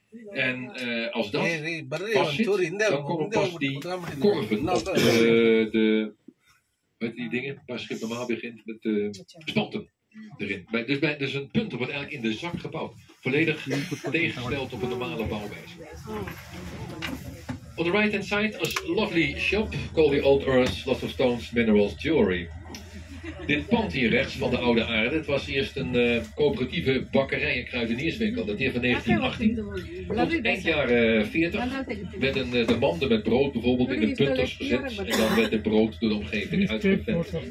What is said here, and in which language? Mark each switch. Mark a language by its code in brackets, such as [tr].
[nl] En als dat pas zit, dan komen pas die korven op die dingen waar schip normaal begint met de spanten erin. Dus een punter wordt eigenlijk in de zak gebouwd, volledig tegengesteld op een normale bouwwijze. [en] On the right hand side, a lovely shop called the Old Earth, Lots of Stones, Minerals, Jewelry. [nl] Dit pand hier rechts van de oude aarde, het was eerst een coöperatieve bakkerij en kruidenierswinkel. Dat hier van 1918. Tot eind jaren 40 werden de manden met brood bijvoorbeeld in de punters gezet. En dan werd het brood door de omgeving uitgevend.